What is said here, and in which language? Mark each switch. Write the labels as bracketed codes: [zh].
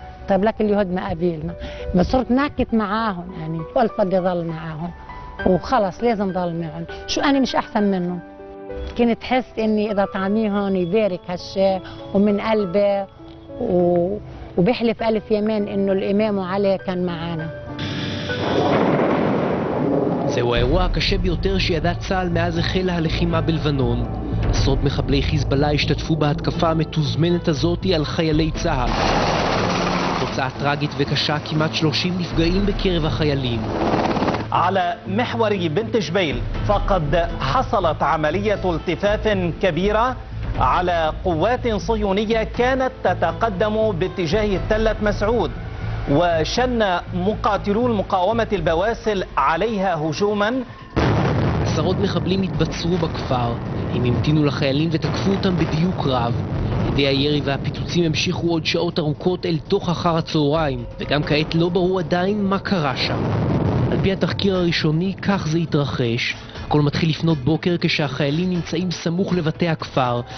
[ar] طيب لك اليهود ما قابلنا. ما صرت ناكت معاهم يعني قلت بدي ضل معاهم وخلص لازم ضل معهم. شو انا مش احسن منهم؟ كنت حس اني اذا طعميهم يبارك هالشيء ومن قلبي وبيحلف الف يمين انه الامام علي كان معانا. [he] זהו האירוע הקשה ביותר שידע צהל מאז החלה הלחימה בלבנון. עשרות מחבלי חיזבאללה השתתפו בהתקפה המתוזמנת הזאת על חיילי צהל. תוצאה טרגית וקשה, כמעט 30 נפגעים בקרב החיילים. [ar] على محور بنت جبيل فقد حصلت عملية التفاف كبيرة على قوات صهيونية كانت تتقدم باتجاه تلة مسعود وشن مقاتلو المقاومة البواسل عليها هجوما. [he] עשרות מחבלים התבצרו בכפר. הם המתינו לחיילים ותקפו אותם בדיוק רב. ידי הירי והפיצוצים המשיכו עוד שעות ארוכות אל תוך אחר הצהריים, וגם כעת לא ברור עדיין מה קרה שם. על פי התחקיר הראשוני, כך זה התרחש. הכל מתחיל לפנות בוקר כשהחיילים נמצאים סמוך לבתי הכפר.